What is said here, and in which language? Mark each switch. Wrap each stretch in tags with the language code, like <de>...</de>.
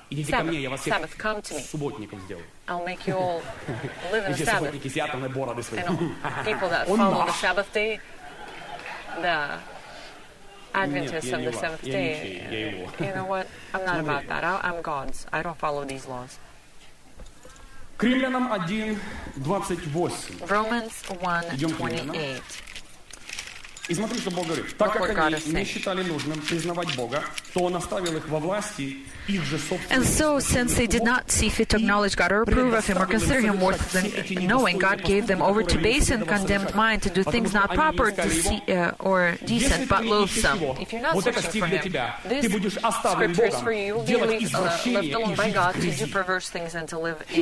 <ru>Идите ко мне, я вас всех субботником сделаю.</ru> <en>I'll make you all live in a Sabbath.</en> <ru>Субботники сидят на бороды свои.</ru> <en>People that follow the Sabbath day, the Adventists of the seventh day. You know what? I'm not about that. I'm God's. I don't follow these laws.</en> <ru>К Римлянам 1:28.</ru> <en>Romans 1:28.</en> <ru>И смотри, что Бог говорит. Так как они не считали нужным признавать Бога, то Он оставил их во власти их же собственных.</ru> <en>And so, since they did not see fit to acknowledge God or approve of Him or consider Him worth than knowing, God gave them over to base and condemned mind to do things not proper or decent, but loathsome. If you're not searching for Him, this scripture is for you. You'll be left alone by God to do perverse things and to live in</en>